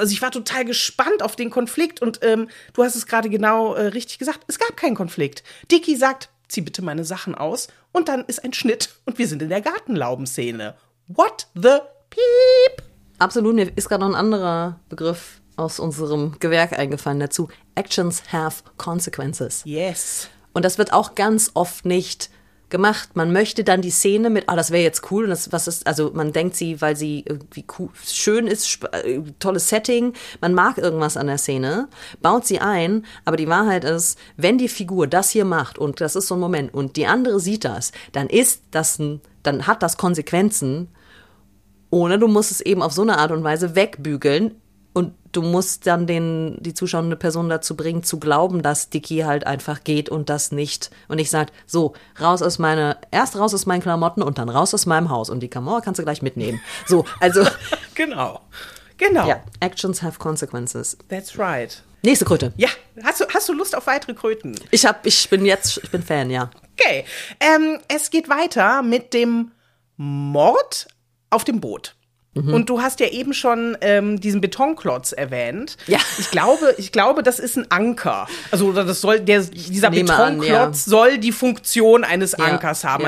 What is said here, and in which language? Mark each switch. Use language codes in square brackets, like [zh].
[de] Also ich war total gespannt auf den Konflikt. Und du hast es gerade genau richtig gesagt, es gab keinen Konflikt. Dicky sagt, zieh bitte meine Sachen aus. Und dann ist ein Schnitt und wir sind in der Gartenlaubenszene. [en] What the peep? [de] Absolut, mir ist gerade noch ein anderer Begriff aus unserem Gewerk eingefallen dazu. [en] Actions have consequences. Yes. [de] Und das wird auch ganz oft nicht gemacht. Man möchte dann die Szene mit, das wäre jetzt cool. Und das, was ist, also man denkt sie, weil sie irgendwie cool, schön ist, tolles Setting. Man mag irgendwas an der Szene, baut sie ein. Aber die Wahrheit ist, wenn die Figur das hier macht und das ist so ein Moment und die andere sieht das, dann hat das Konsequenzen. Oder du musst es eben auf so eine Art und Weise wegbügeln und du musst dann die zuschauende Person dazu bringen, zu glauben, dass Dicky halt einfach geht und das nicht. Und ich sag, so, raus aus meinen Klamotten und dann raus aus meinem Haus. Und die Kamera kannst du gleich mitnehmen. So, also. Genau. [en] Ja, actions have consequences. That's right. [de] Nächste Kröte. Ja, hast du Lust auf weitere Kröten? Ich bin Fan, ja. Okay, es geht weiter mit dem Mord auf dem Boot. Mhm. Und du hast ja eben schon diesen Betonklotz erwähnt. Ja. Ich glaube, das ist ein Anker. Also dieser Betonklotz soll die Funktion eines Ankers haben. Ja.